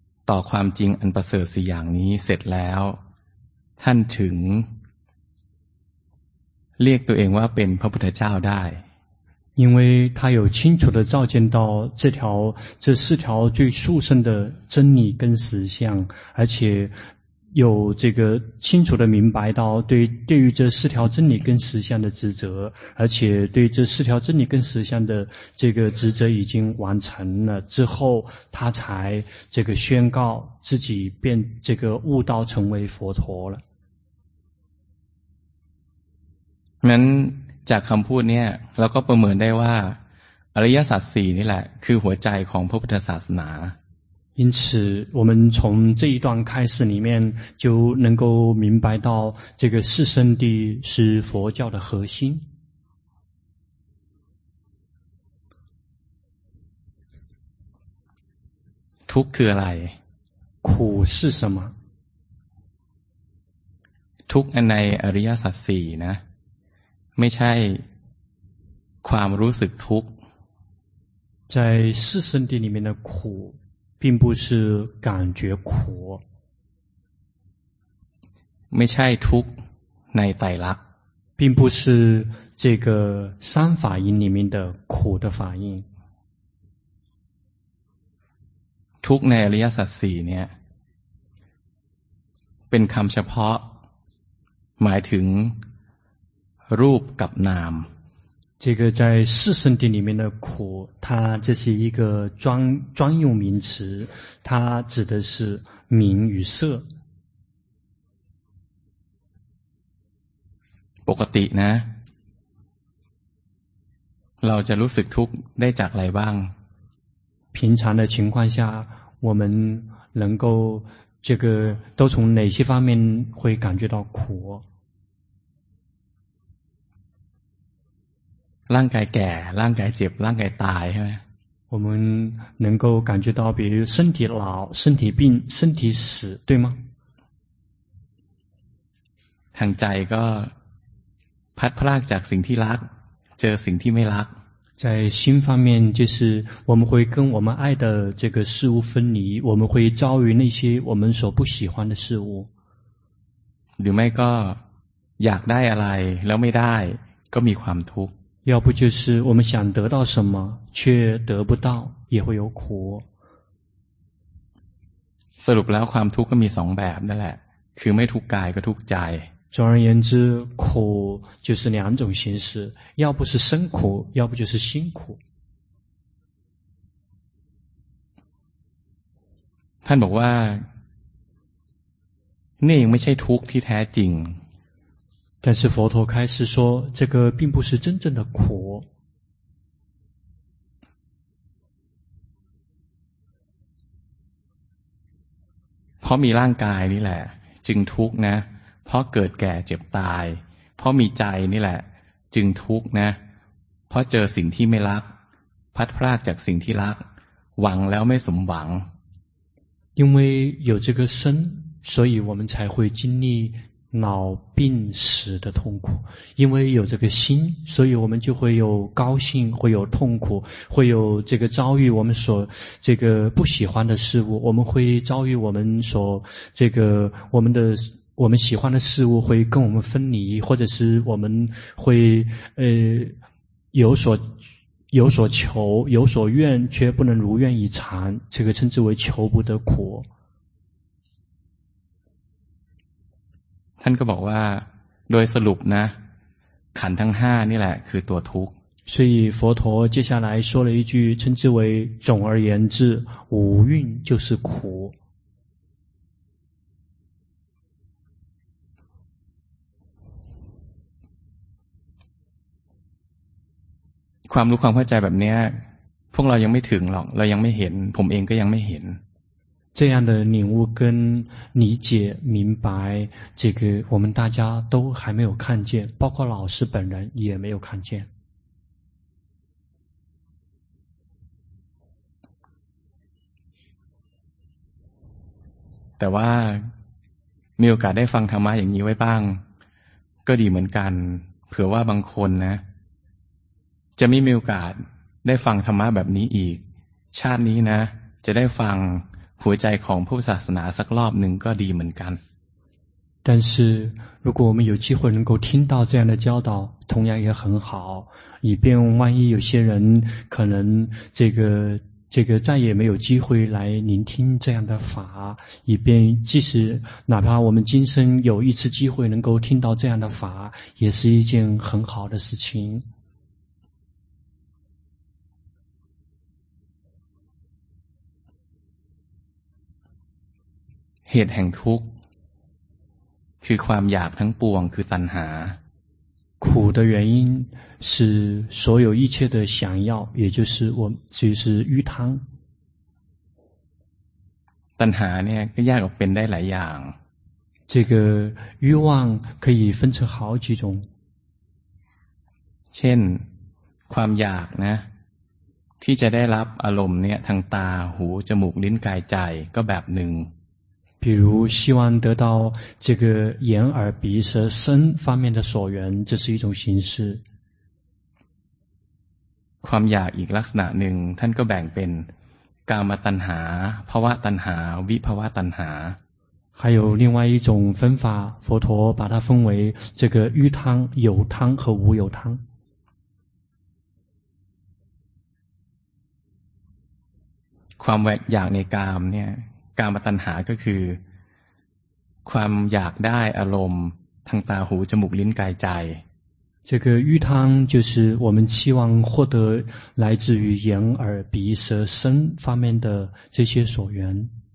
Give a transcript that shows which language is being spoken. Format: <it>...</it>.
<th>ต่อความจริงอันประเสริฐสี่อย่างนี้เสร็จแล้วท่านถึงเรียกตัวเองว่าเป็นพระพุทธเจ้าได้</th> <zh>因为他有清楚的照见到这条这四条最殊胜的真理跟实相，而且有这个清楚的明白到对于这四条真理跟实相的职责，而且对这四条真理跟实相的这个职责已经完成了之后，他才这个宣告自己变这个悟道成为佛陀了。能。</zh> <th>จากคำพูดเนี่ยเราก็ประเมินได้ว่าอริยสัจ4นี่แหละคือหัวใจของพระพุทธศาสนา</th> <zh>因此我们从这一段开始里面就能够明白到这个四圣谛是佛教的核心</zh> <th>ทุกข์คืออะไร</th> <zh>苦是什么</zh> <th>ทุกข์ในอริยสัจ4นะไม่ใช่ความรู้สึกทุกข์</th> <zh>ใน四圣谛里面的苦并不是感觉苦</zh> <th>ไม่ใช่ทุกข์ในไตรลักษณ์</th> <zh>并不是这个三法印里面的苦的法印</zh> <th>ทุกข์ในอริยสัจ4เนี่ยเป็นคำเฉพาะหมายถึงรูปกับนาม</th> <zh>这个在四圣谛里面的苦它这是一个专用名词它指的是名与色</zh> <th>ปกตินะเราจะรู้สึกทุกข์ได้จากอะไรบ้าง</th> <zh>平常的情况下我们能够这个都从哪些方面会感觉到苦</zh> <th>ร่างกายแก่ร่างกายเจ็บร่างกายตายใช่ไ</th> <zh>หม我们能够感觉到比如身体老身体病身体死对吗</zh> <th>ทางใจก็พัดพรากจากสิ่งที่รักเจอสิ่งที่ไม่รัก</th> <zh>在心方面就是我们会跟我们爱的这个事物分离我们会遭遇那些我们所不喜欢的事物</zh> <th>หรือไม่ก็อยากได้อะไรแล้วไม่ได้ก็มีความทุกข์</th> <zh>要不就是我们想得到什么却得不到也会有苦</zh> <th>สรุปแล้วความทุกข์ก็มี2แบบนั่นแหละคือไม่ทุกข์กายก็ทุกข์ใจ</th> <zh>总而言之苦就是两种形式要不是身苦要不就是心苦</zh> <th>ท่านบอกว่านี่ยังไม่ใช่ทุกข์ที่แท้จริง แต่</th> <zh>是佛陀开始说这个并不是真正的苦</zh> <th>เพราะมีร่างกายนี่แหละจึงทุกข์นะเพราะเกิดแก่เจ็บตายเพราะมีใจนี่แหละจึงทุกข์นะเพราะเจอสิ่งที่ไม่รักพัดพรากจากสิ่งที่รักหวังแล้วไม่สมหวัง</th> <zh>因为有这个身所以我们才会经历老病死的痛苦因为有这个心所以我们就会有高兴会有痛苦会有这个遭遇我们所这个不喜欢的事物我们会遭遇我们所这个我们喜欢的事物会跟我们分离或者是我们会有所求有所愿却不能如愿以偿这个称之为求不得苦</zh> <th>ท่านก็บอกว่าโดยสรุปนะขันธ์ทั้ง5นี่แหละคือตัวทุกข์</th> <zh>所以佛陀接下来说了一句称之为总而言之五蕴就是苦</zh> <th>ความรู้ความเข้าใจแบบนี้พวกเรายังไม่ถึงหรอกเรายังไม่เห็นผมเองก็ยังไม่เห็น</th> <zh>这样的领悟跟理解明白这个我们大家都还没有看见包括老师本人也没有看见</zh> <th>แต่ว่ามีโอกาสได้ฟังธรรมะอย่างนี้ไว้บ้างก็ดีเหมือนกันเผื่อว่าบางคนนะจะไม่มีโอกาสได้ฟังธรรมะแบบนี้อีกชาตินี้นะจะได้ฟังัวใจของผู้ศาสนาสักรอบหนึ่งก็ดีเหมือนกัน</th> <zh>但是如果我们有机会能够听到这样的教导同样也很好以便万一有些人可能这个再也没有机会来聆听这样的法以便即使哪怕我们今生有一次机会能够听到这样的法也是一件很好的事情</zh> <th>เหตุแห่งทุกข์คือความอยากทั้งปวงคือตัณหา</th> <zh>苦的原因是所有一切的想要也就是我就是欲贪</zh> <th>ตัณหาเนี่ยก็แยกออกเป็นได้หลายอย่าง</th> <zh>这个欲望可以分成好几种</zh> <th>เช่นความอยากนะที่จะได้รับอารมณ์เนี่ยทางตาหูจมูกลิ้นกายใจก็แบบหนึ่ง</th> <zh>比如希望得到这个眼耳鼻舌身方面的所缘这是一种形式</zh> <th>ความอยากอีกลักษณะหนึ่งท่านก็แบ่งเป็นกามตัณหาภวะตัณหาวิภวะตัณหา</th> <zh>还有另外一种分法佛陀把它分为这个欲贪有贪和无有贪</zh> <th>ความอยากในกามเนี่ยกามตัณหาก็คือความอยากได้อารมณ์ทางตาหูจมูกลิ้นกายใจ</th> <zh>这个欲贪就是我们期望获得来自于眼耳鼻舌身方面的这些所缘</zh>